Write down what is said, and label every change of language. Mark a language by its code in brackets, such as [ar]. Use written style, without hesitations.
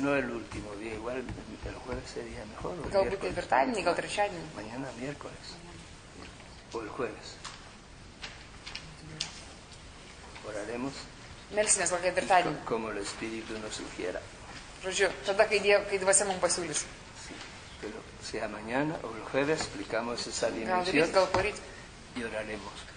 [es] No el último día, igual el jueves sería mejor. [lt] Galbūt ketvirtadienį, gal trečiadienį. [es] Mañana, miércoles. O el jueves. Oraremos. [lt] Melsimės gal ketvirtadienį. [es] Como el espíritu nos sugiera. [lt] Žodžiu, tada, kai dvasia mums pasiūlys. [es] Pero sea mañana o el jueves, explicamos esa dimensión y oraremos.